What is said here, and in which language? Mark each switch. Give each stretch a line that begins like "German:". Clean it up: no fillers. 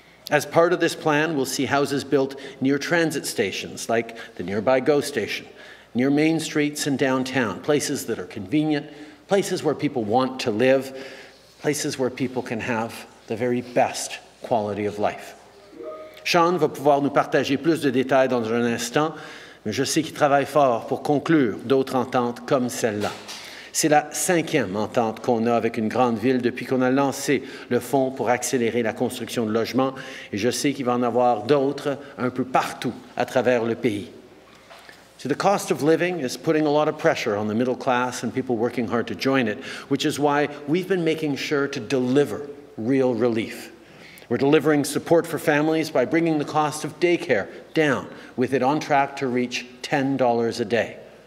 English: As part of this plan, we'll see houses built near transit stations, like the nearby GO station, near main streets and downtown, places that are convenient, places where people want to live, places where people can have the very best quality of life.
French: Sean va pouvoir nous partager plus de détails dans un instant, mais je sais qu'il travaille fort pour conclure d'autres ententes comme celle-là. C'est la cinquième entente qu'on a avec une grande ville depuis qu'on a lancé le fonds pour accélérer la construction de logements, et je sais qu'il va en avoir d'autres un peu partout à travers le pays.
English: So the cost of living is putting a lot of pressure on the middle class and people working hard to join it, which is why we've been making sure to deliver real relief. We're delivering support for families by bringing the cost of daycare down, with it on track to reach $10 a day.